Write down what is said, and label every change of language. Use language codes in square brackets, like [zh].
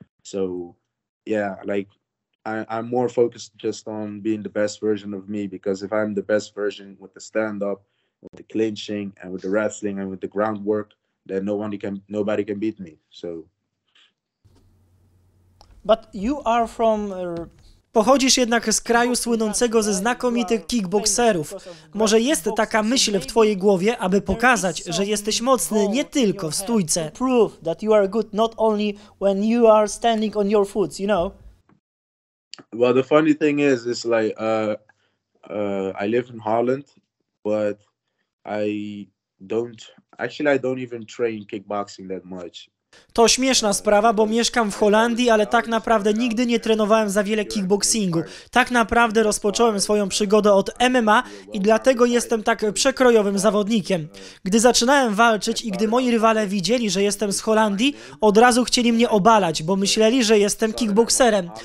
[en] So, yeah, like, I'm more focused just on being the best version of me, because if I'm the best version with the stand-up, with the clinching, and with the wrestling, and with the groundwork, then nobody can beat me, so. But you are from... [pl] Pochodzisz jednak z kraju słynącego ze znakomitych kickbokserów. Może jest taka myśl w twojej głowie, aby pokazać, że jesteś mocny nie tylko w stójce. [en] Prove that you are good not only when you are standing on your foot, you know? Well, the funny thing is, it's like I live in Holland, but I don't even train kickboxing that much. [pl] To śmieszna sprawa, bo mieszkam w Holandii, ale tak naprawdę nigdy nie trenowałem za wiele kickboxingu. Tak naprawdę rozpocząłem swoją przygodę od MMA i dlatego jestem tak przekrojowym zawodnikiem. Gdy zaczynałem walczyć i gdy moi rywale widzieli, że jestem z Holandii, od razu chcieli mnie obalać, bo myśleli, że jestem kickboxerem.